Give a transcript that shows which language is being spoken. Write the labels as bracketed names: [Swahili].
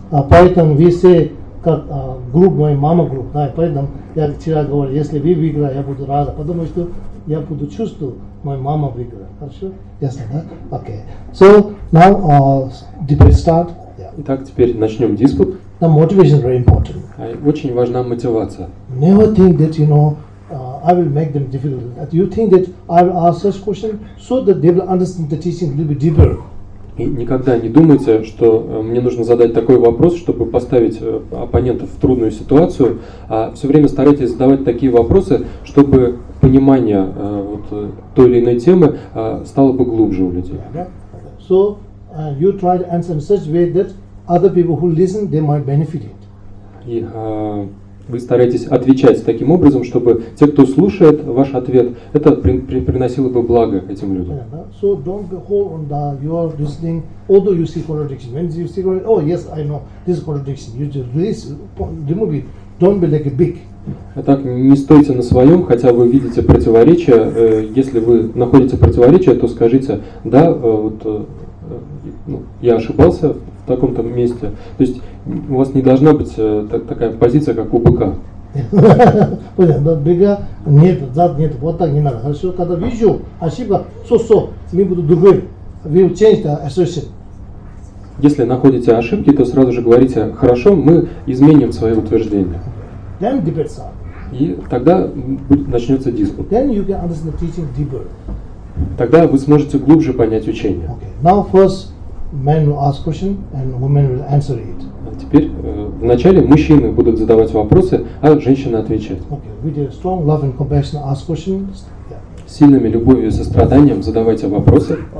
[Russian] Поэтому вы все, как групп, моя мама групп, да, поэтому я вчера говорил, если вы выиграете, я буду рада, потому что я буду чувствовать, моя мама выиграет, хорошо? Ясно, да? Окей. [English] So, now, debate start. Yeah. [Russian] Итак, теперь начнем диспут. [English] The motivation is very important. [Russian] Очень важна мотивация. [English] Never think that, you know, I will make them difficult. That you think that I will ask such question so that they will understand the teaching a little bit deeper. [Russian] И никогда не думайте, что мне нужно задать такой вопрос, чтобы поставить оппонентов в трудную ситуацию. Все время старайтесь задавать такие вопросы, чтобы понимание вот той или иной темы стало бы глубже у людей. [English] So you try to answer in such way that other people who listen, they might benefit it. [Russian] И вы стараетесь отвечать таким образом, чтобы те, кто слушает ваш ответ, это приносило бы благо этим людям. [English] Yeah, no? So don't be hold on that you are listening, although you see contradiction. When you see contradiction, oh yes, I know, this is contradiction. You just release, remove it. Don't be like a big. [Russian] Итак, не стойте на своем, хотя вы видите противоречие. Если вы находите противоречие, то скажите, да, вот ну, я ошибался в таком-то месте. То есть у вас не должна быть такая позиция, как у быка. Понял, да, бега нет, зад нет, вот так не надо. Хорошо, когда вижу ошибка, со, мы будем другим. [English] We will change the assertion. [Russian] Если находите ошибки, то сразу же говорите, хорошо, мы изменим свое утверждение. [English] Then debate starts. [Russian] И тогда начнется диспут. [English] Then you can understand the teaching deeper. [Russian] Тогда вы сможете глубже понять учение. [English] Okay. Now first men will ask question and women will answer it. [Russian] Теперь вначале мужчины будут задавать вопросы, а женщины отвечать. [English] Okay. With a strong love and compassion, ask questions. Yeah. [Russian] Сильными любовью и состраданием задавайте вопросы.